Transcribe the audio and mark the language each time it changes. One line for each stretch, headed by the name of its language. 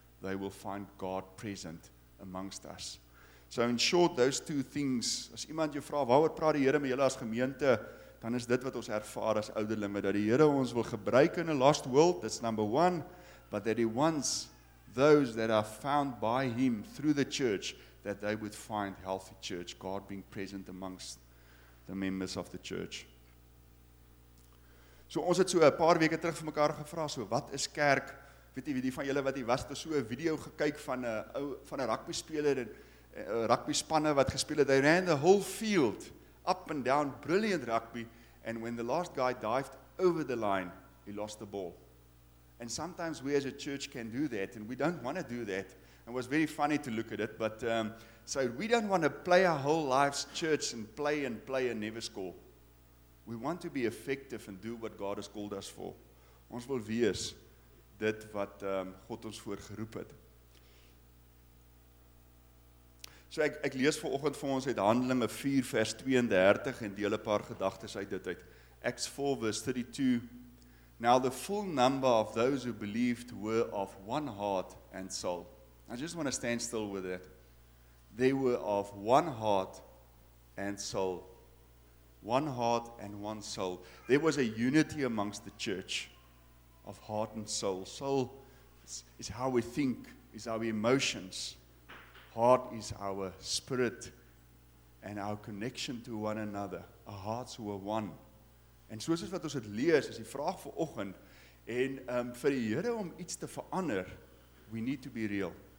English: They will find God present amongst us. So in short, those two things,
Afrikaans: as iemand jou vra, waaroor praat die Here met julle as gemeente, dan is dit wat ons ervaar as ouderlinge, dat die Here ons wil gebruik
English: in a lost world, that's number one, but that He wants those that are found by Him through the church, that they would find healthy church, God being present amongst the members of the church.
Afrikaans: So ons het so 'n paar weke terug vir mekaar gevra, so wat is kerk? weet jy wie die van julle wat hier was, het so 'n video gekyk van 'n ou van 'n rugby speler en rugby spanne wat gespeel het.
English: They ran the whole field up and down, brilliant rugby, and when the last guy dived over the line, he lost the ball. And sometimes we as a church can do that, and we don't want to do that. It was very funny to look at it, but so we don't want to play our whole lives church and play and play and never score. We want to be effective and do what God has called us for.
Afrikaans: Ons wil wees dit wat God ons voor geroep het. So ek lees vanoggend vir ons uit Handelinge 4 vers 32 en deel 'n paar gedagtes uit dit uit.
English: Acts 4 verse 32. Now the full number of those who believed were of one heart and soul. I just want to stand still with it. They were of one heart and soul. One heart and one soul. There was a unity amongst the church of heart and soul. Soul is how we think, is our emotions. Heart is our spirit and our connection to one another. Our hearts were one.
Afrikaans: En soos wat ons het lees, is die vraag vir oggend, en vir die Here om iets te verander,
English: we need to be real.